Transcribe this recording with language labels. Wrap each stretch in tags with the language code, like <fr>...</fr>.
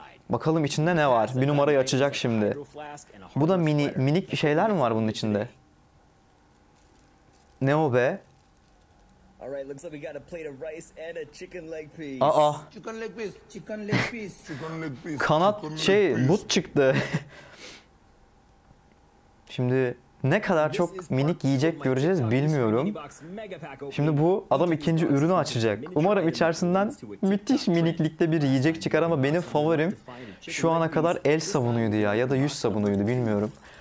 <tr>Bakalım içinde ne var? Bir numarayı açacak şimdi. Bu da mini, minik bir şeyler mi var bunun içinde? Ne o be?</tr> <en>Alright, looks like we got a plate of rice and a chicken leg piece. Aa. Chicken leg piece, chicken leg piece, chicken leg piece.</en> <tr>Kanat şey, but çıktı. Şimdi ne kadar çok minik yiyecek göreceğiz bilmiyorum. Şimdi bu adam ikinci ürünü açacak. Umarım içerisinden müthiş miniklikte bir yiyecek çıkar, ama benim favorim şu ana kadar el sabunuydu ya, ya da yüz sabunuydu bilmiyorum.</tr>